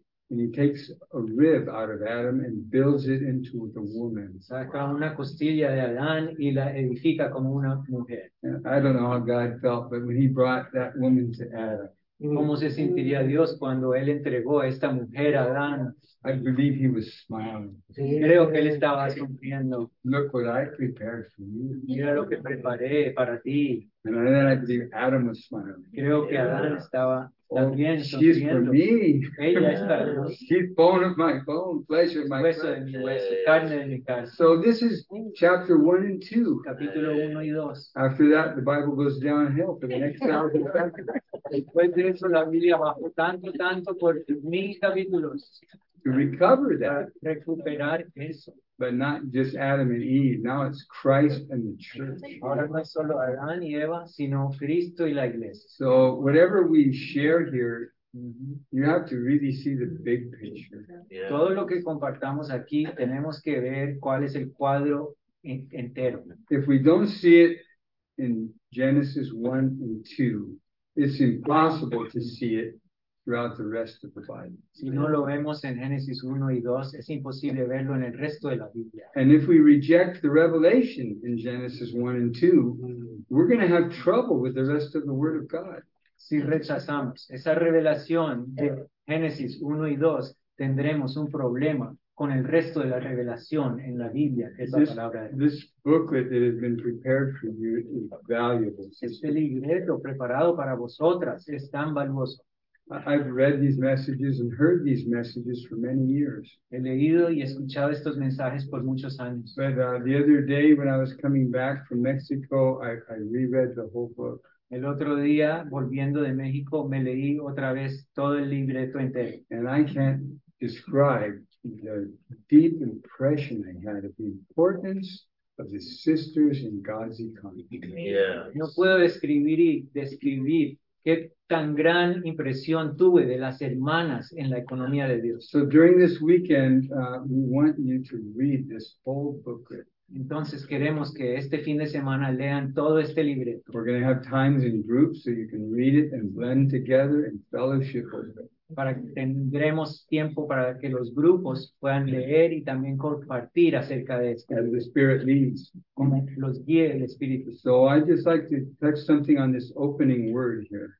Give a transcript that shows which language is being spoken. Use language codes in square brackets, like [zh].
[en] And he takes a rib out of Adam and builds it into the woman. [es] Saca una costilla de Adán y la edifica como una mujer. [en] I don't know how God felt, but when he brought that woman to Adam. [es] ¿Cómo se sentiría Dios cuando él entregó a esta mujer a Adán? [en] I believe he was smiling. [es] Creo que él estaba sonriendo. [en] Look what I prepared for you. [es] Mira lo que preparé para ti. [en] And then I believe Adam was smiling. [es] Creo que Adán estaba también sonriendo. [en] She's for me. [es] Ella está. [en] She's bone of my bone, flesh of my flesh. [es] Hueso de mi hueso, carne de mi carne. [en] So this is chapter 1 and 2. [es] Capítulo 1 y 2. [en] After that, the Bible goes downhill for the next 1,000 chapters. [es] Después de eso, la Biblia bajó tanto, tanto por 1,000 capítulos. [en] To recover that. [es] Recuperar eso. [en] But not just Adam and Eve. Now it's Christ and the church. [es] Ahora no es solo Adán y Eva, sino Cristo y la iglesia. [en] So whatever we share here, you have to really see the big picture. [es] Todo lo que compartamos aquí, tenemos que ver cuál es el cuadro entero. [en] If we don't see it in Genesis 1 and 2, it's impossible to see it throughout the rest of the Bible. [es] Si no lo vemos en Génesis 1 y 2, es imposible verlo en el resto de la Biblia. [en] And if we reject the revelation in Genesis 1 and 2, we're going to have trouble with the rest of the Word of God. [es] Si rechazamos esa revelación de Génesis 1 y 2, tendremos un problema con el resto de la revelación en la Biblia, que es la palabra de Dios. [en] This booklet that has been prepared for you is valuable. [es] Este libreto preparado para vosotras es tan valioso. [en] I've read these messages and heard these messages for many years. [es] He leído y escuchado estos mensajes por muchos años. [en] But the other day when I was coming back from Mexico, I reread the whole book. [es] El otro día, volviendo de México, me leí otra vez todo el libreto entero. [en] And I can't describe the deep impression I had of the importance of the sisters in God's economy. Yeah. [es] No puedo describir y describir qué tan gran impresión tuve de las hermanas en la economía de Dios. [en] So during this weekend, we want you to read this whole booklet. [es] Entonces queremos que este fin de semana lean todo este libreto. [en] We're going to have times in groups so you can read it and blend together and fellowship with it. [es] Para que tendremos tiempo para que los grupos puedan leer y también compartir acerca de esto. [en] As the Spirit leads. [es] Como los guíe el Espíritu. [en] So I'd just like to touch something on this opening word here.